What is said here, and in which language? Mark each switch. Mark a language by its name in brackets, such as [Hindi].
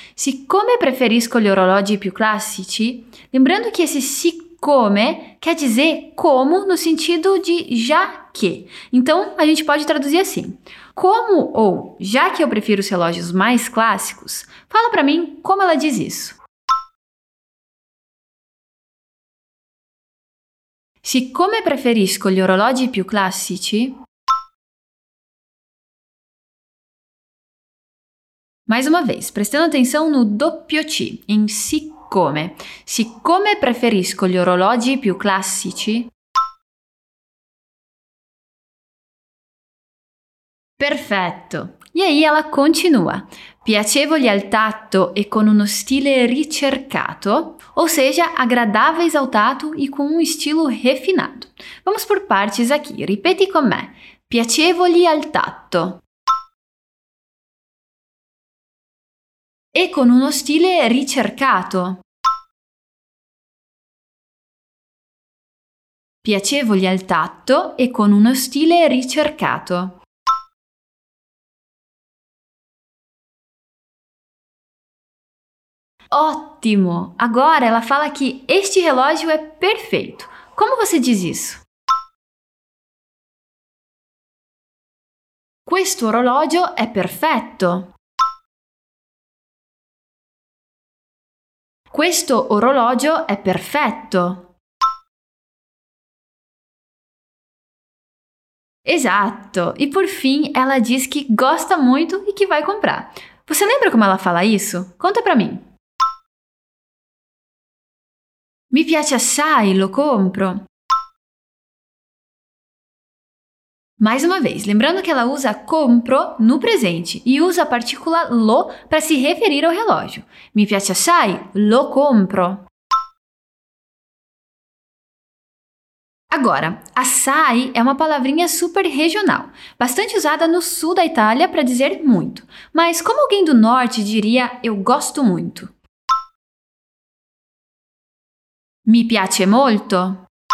[Italian] Siccome preferisco gli orologi più classici, [Portuguese] lembrando que esse come quer dizer como no sentido de já que. Então, a gente pode traduzir assim. Como ou já que eu prefiro os relógios mais clássicos, fala pra mim como ela diz isso. [Italian] Siccome preferisco gli orologi più classici, [Portuguese] Mais uma vez, prestando atenção no doppio C, em siccome. [Italian] Siccome preferisco gli orologi più classici. Perfetto. [Portuguese] E aí ela continua. [Italian] Piacevoli al tatto e con uno stile ricercato, [Portuguese] ou seja, agradáveis ao tato e com um estilo refinado. Vamos por partes aqui, [Italian] ripeti com me. Piacevoli al tatto. E con uno stile ricercato. Piacevoli al tatto e con uno stile ricercato. [Portuguese] Ótimo! Agora ela fala que este relógio é perfeito. Como você diz isso? [Italian] Questo orologio è perfetto. Questo orologio è perfetto. Esatto! [Portuguese] E por fim ela diz que gosta muito e que vai comprar. Você lembra como ela fala isso? Conta pra mim. [Italian] Mi piace assai, lo compro. [Portuguese] Mais uma vez, lembrando que ela usa compro no presente e usa a partícula lo para se referir ao relógio. [Italian] Mi piace assai, lo compro. [Portuguese] Agora, assai é uma palavrinha super regional, bastante usada no sul da Itália para dizer muito. Mas como alguém do norte diria eu gosto muito? [Italian] Mi piace molto.